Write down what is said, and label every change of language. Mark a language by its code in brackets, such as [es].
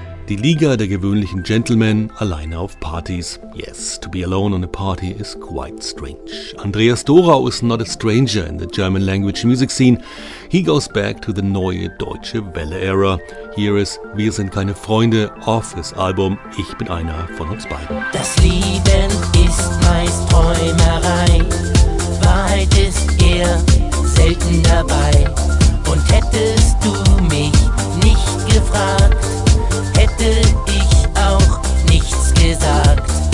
[de] Die Liga der gewöhnlichen Gentlemen alleine auf Partys. [en] Yes, to be alone on a party is quite strange. Andreas Dorau is not a stranger in the German language music scene. He goes back to the Neue Deutsche Welle era. Here is Wir sind keine Freunde off his album Ich bin einer von uns beiden. [de] Das Leben ist meist Träumerei. Wahrheit ist eher selten dabei. Und hättest du mich nicht gefragt, hätte ich auch nichts gesagt.